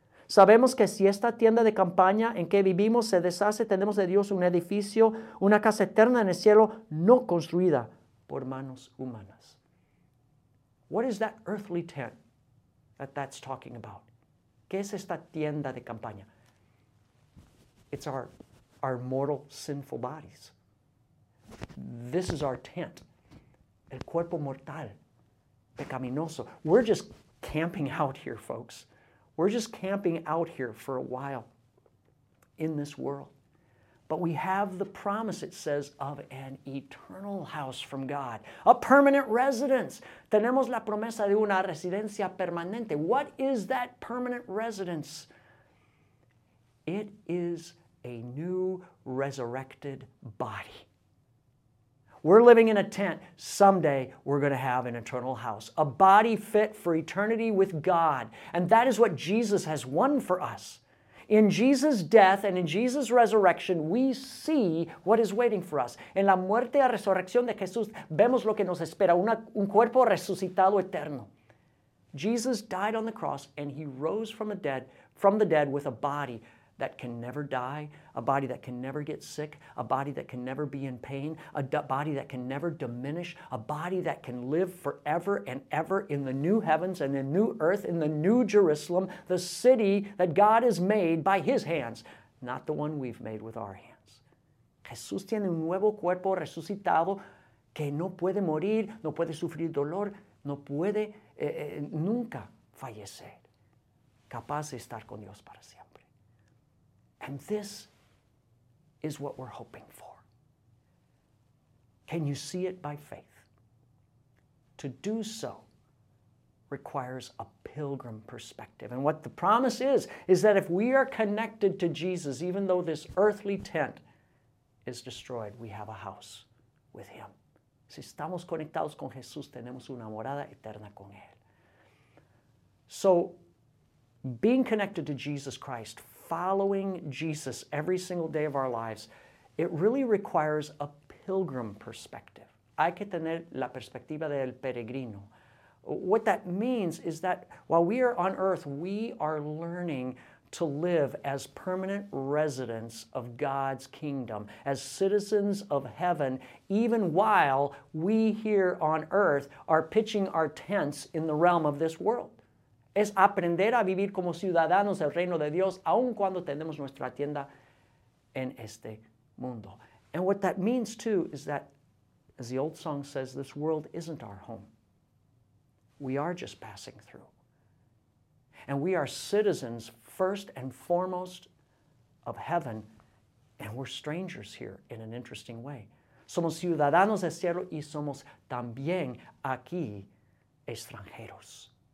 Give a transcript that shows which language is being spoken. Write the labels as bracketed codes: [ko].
[es] Sabemos que si esta tienda de campaña en que vivimos se deshace, tenemos de Dios un edificio, una casa eterna en el cielo, no construida por manos humanas. [en] What is that earthly tent that that's talking about? [es] ¿Qué es esta tienda de campaña? [en] It's our mortal, sinful bodies. This is our tent. [es] El cuerpo mortal, pecaminoso. [en] We're just camping out here, folks. We're just camping out here for a while in this world. But we have the promise, it says, of an eternal house from God. A permanent residence. [es] Tenemos la promesa de una residencia permanente. [en] What is that permanent residence? It is a new resurrected body. We're living in a tent. Someday we're going to have an eternal house. A body fit for eternity with God. And that is what Jesus has won for us. In Jesus' death and in Jesus' resurrection, we see what is waiting for us. [es] En la muerte y resurrección de Jesús, vemos lo que nos espera, un cuerpo resucitado eterno. [en] Jesus died on the cross and he rose from the dead with a body that can never die, a body that can never get sick, a body that can never be in pain, a body that can never diminish, a body that can live forever and ever in the new heavens and the new earth, in the new Jerusalem, the city that God has made by his hands, not the one we've made with our hands. [es] Jesús tiene un nuevo cuerpo resucitado que no puede morir, no puede sufrir dolor, no puede nunca fallecer, capaz de estar con Dios para siempre. [en] And this is what we're hoping for. Can you see it by faith? To do so requires a pilgrim perspective. And what the promise is that if we are connected to Jesus, even though this earthly tent is destroyed, we have a house with him. [es] Si estamos conectados con Jesús, tenemos una morada eterna con él. [en] So, being connected to Jesus Christ, following Jesus every single day of our lives, it really requires a pilgrim perspective. [es] Hay que tener la perspectiva del peregrino. [en] What that means is that while we are on earth, we are learning to live as permanent residents of God's kingdom, as citizens of heaven, even while we here on earth are pitching our tents in the realm of this world. [es] Es aprender a vivir como ciudadanos del reino de Dios, aun cuando tenemos nuestra tienda en este mundo. [en] And what that means too is that, as the old song says, this world isn't our home. We are just passing through. And we are citizens first and foremost of heaven, and we're strangers here in an interesting way. [es] Somos ciudadanos del cielo y somos también aquí extranjeros.